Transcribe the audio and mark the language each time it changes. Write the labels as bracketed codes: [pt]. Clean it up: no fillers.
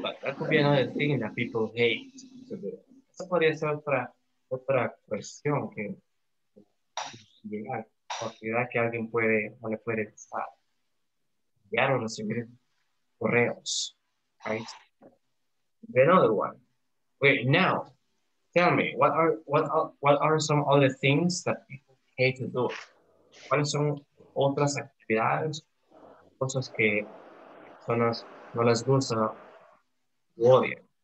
[en] But that could be another thing that people hate to do. [es] Eso podría ser otra cuestión que llegar, actividad que alguien puede o le puede gustar. Ya no recibir correos, [en] right? The another one. Wait, now, tell me, what are some other things that people hate to do? [es] ¿Cuáles son otras actividades, cosas que personas no les gusta o odian?